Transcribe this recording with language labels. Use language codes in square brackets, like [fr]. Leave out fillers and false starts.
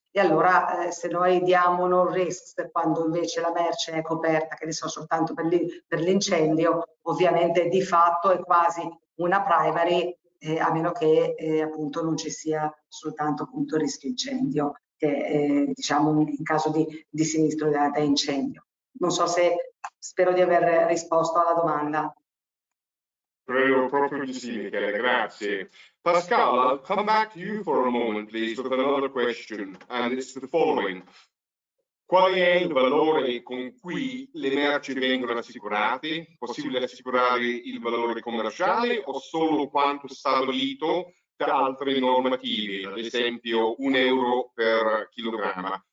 [it] E allora se noi diamo no risk quando invece la merce è coperta, che ne so, soltanto per l'incendio, ovviamente di fatto è quasi una primary, a meno che appunto non ci sia soltanto appunto il rischio incendio, che diciamo in caso di sinistro da incendio. Non so se, spero di aver risposto alla domanda. Credo proprio di sì, Michele, grazie. [en] Pascal, I'll come back to you for a moment, please, with another question, and it's the following. [it] Qual è il valore con cui le merci vengono assicurate? Possibile assicurare il valore commerciale o solo quanto stabilito da altre normative, ad esempio un euro per chilogramma?